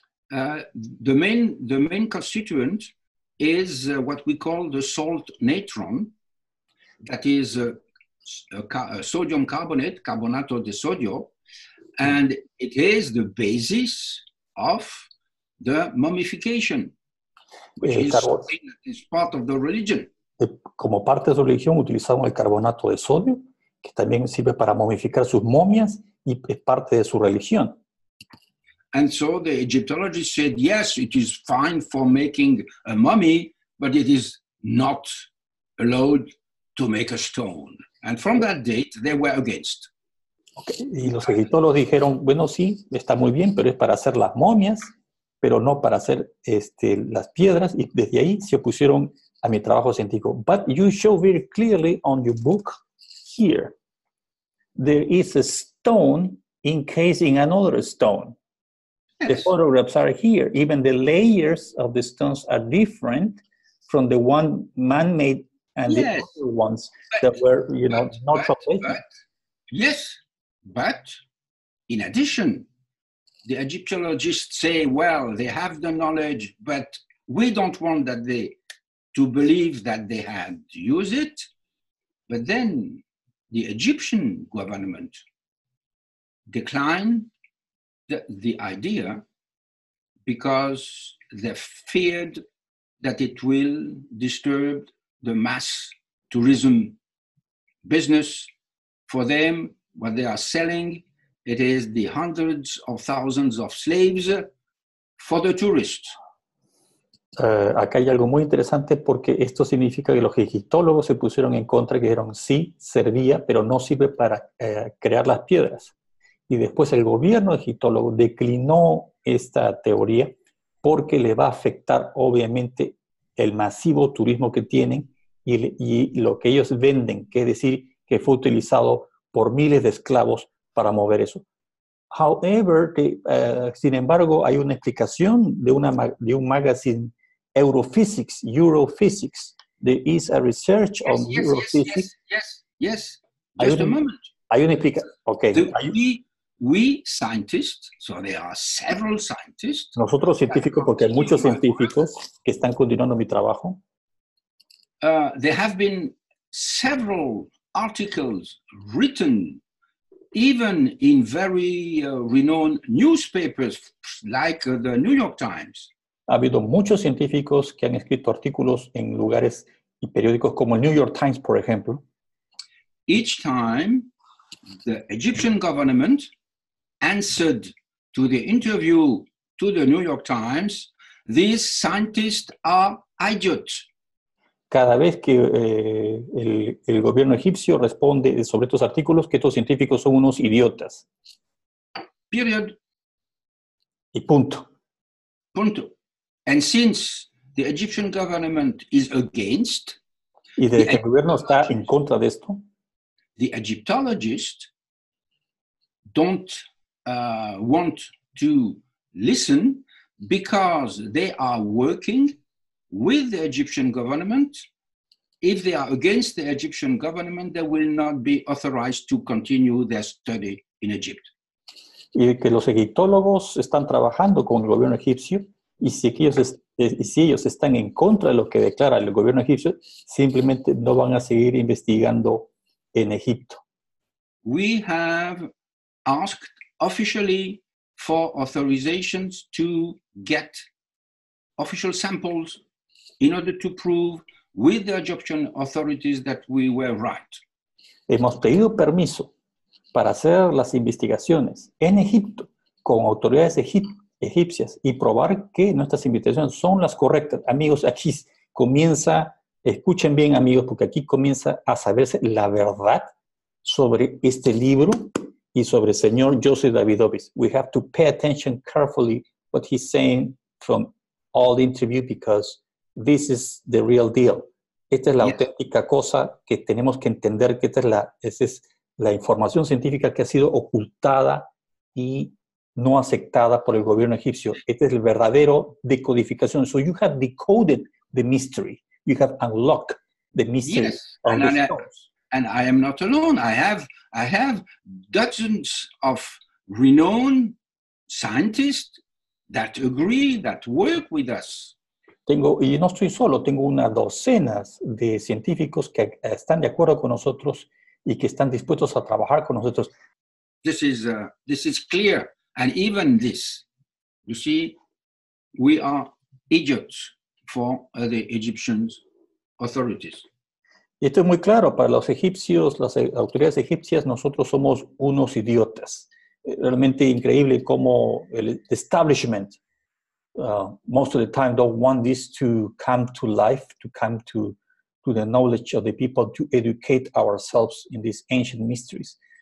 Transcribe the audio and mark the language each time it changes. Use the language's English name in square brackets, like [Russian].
[English] The main constituent is what we call the salt natron, that is a sodium carbonate, [Spanish] carbonato de sodio, [English] and it is the basis of the mummification, which is part of the religion. [Spanish] Como parte de su religión utilizamos el carbonato de sodio, que también sirve para momificar sus momias y es parte de su religión. [English] And so the Egyptologist said, yes, it is fine for making a mummy, but it is not allowed to make a stone. And from that date, they were against. Okay. [Spanish] Y los egiptólogos dijeron, bueno, sí, está muy bien, pero es para hacer las momias, pero no para hacer las piedras, y desde ahí se opusieron a mi trabajo científico. [English] But you show very clearly on your book here, there is a stone encasing another stone. Yes. The photographs are here. Even the layers of the stones are different from the one man-made and yes, the other ones that were, not translated. Yes, but in addition, the Egyptologists say, well, they have the knowledge, but we don't want to believe that they had used it. But then the Egyptian government declined the idea because they feared that it will disturb the mass tourism business. For them, what they are selling, it is the hundreds of thousands of slaves for the tourists. [Spanish] Acá hay algo muy interesante porque esto significa que los egiptólogos se pusieron en contra y dijeron sí, servía, pero no sirve para crear las piedras. Y después el gobierno egiptólogo declinó esta teoría porque le va a afectar obviamente el masivo turismo que tienen y lo que ellos venden, que es decir, que fue utilizado por miles de esclavos para mover eso. [English] However, [Spanish] sin embargo, hay una explicación de un magazine, Europhysics. [English] There is a research on Europhysics. Yes. Just a moment. [Spanish] Hay una explicación. Okay. [English] We scientists, so there are several scientists. [Spanish] Nosotros científicos, porque hay muchos científicos que están continuando mi trabajo. [English] There have been several articles written even in very renowned newspapers like the New York Times. [Spanish] Ha habido muchos científicos que han escrito artículos en lugares y periódicos como el New York Times, por ejemplo. [English] Each time the Egyptian government answered to the interview to the New York Times, these scientists are idiots. [Spanish] Cada vez que el gobierno egipcio responde sobre estos artículos, que estos científicos son unos idiotas. [English] Period. [Spanish] Y punto. Punto. [English] And since the Egyptian government is against, [Spanish] y desde que el gobierno está en contra de esto, [English] the Egyptologists don't want to listen because they are working with the Egyptian government. If they are against the Egyptian government, they will not be authorized to continue their study in Egypt. [Spanish] Y que los egiptólogos están trabajando con el gobierno egipcio, y si ellos están en contra de lo que declara el gobierno egipcio, simplemente no van a seguir investigando en Egipto. [English] We have asked officially for authorizations to get official samples in order to prove with the Egyptian authorities that we were right. [Spanish] Hemos pedido permiso para hacer las investigaciones en Egipto con autoridades egipcias y probar que nuestras investigaciones son las correctas. Amigos, aquí comienza, escuchen bien, amigos, porque aquí comienza a saberse la verdad sobre este libro y sobre el señor Joseph Davidovits. [English] We have to pay attention carefully what he's saying from all the interview because this is the real deal. [Spanish] Esta es la auténtica cosa que tenemos que entender, que esta es la información científica que ha sido ocultada y no aceptada por el gobierno egipcio. Este es el verdadero decodificación. [English] So you have decoded the mystery. You have unlocked the mystery. Yes, and I am not alone. I have dozens of renowned scientists that agree, that work with us. [Spanish] Tengo, y no estoy solo, tengo unas docenas de científicos que están de acuerdo con nosotros y que están dispuestos a trabajar con nosotros. [English] This is clear. And even this, you see, we are idiots for the Egyptian authorities. [Spanish] Y esto es muy claro. Para los egipcios, las autoridades egipcias, nosotros somos unos idiotas. Realmente increíble cómo el [English] establishment most of the time don't want this to come to life, to come to the knowledge of the people, to educate ourselves in these ancient mysteries.